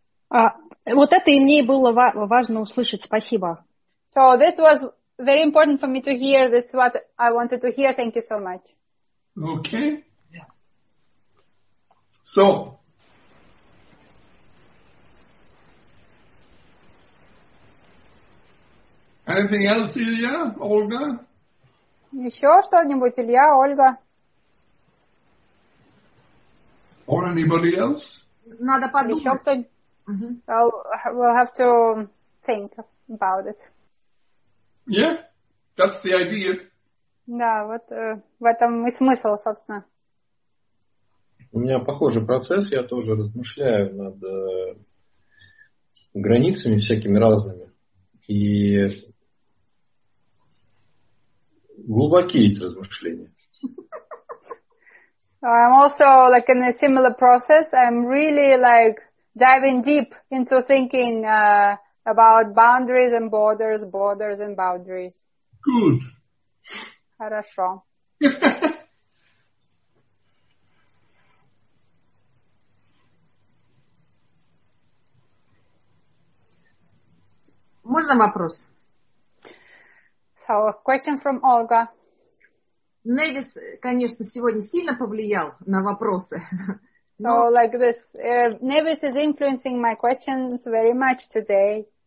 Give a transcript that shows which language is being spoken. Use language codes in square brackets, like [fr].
[ru] Вот это и мне было важно услышать. Спасибо. [en] So this was very important for me to hear. This is what I wanted to hear. Thank you so much. Okay. Yeah. So. Anything else, Илья, Ольга? [ru] Еще что-нибудь, Илья, Ольга? [en] Or anybody else? [ru] Надо подумать. [en] We'll have to think about it. Yeah. That's the idea. [ru] Да, вот в этом и смысл, собственно. У меня похожий процесс, я тоже размышляю над границами всякими разными. И глубокие эти размышления. [en] I'm also like in a similar process. I'm really like diving deep into thinking about boundaries and borders, borders and boundaries. Good. [ru] Хорошо. Можно вопрос? [en] So, question from Olga. [ru] Невис, конечно, сегодня сильно повлиял на вопросы. [en] So, like this, Невис is influencing my questions very much today.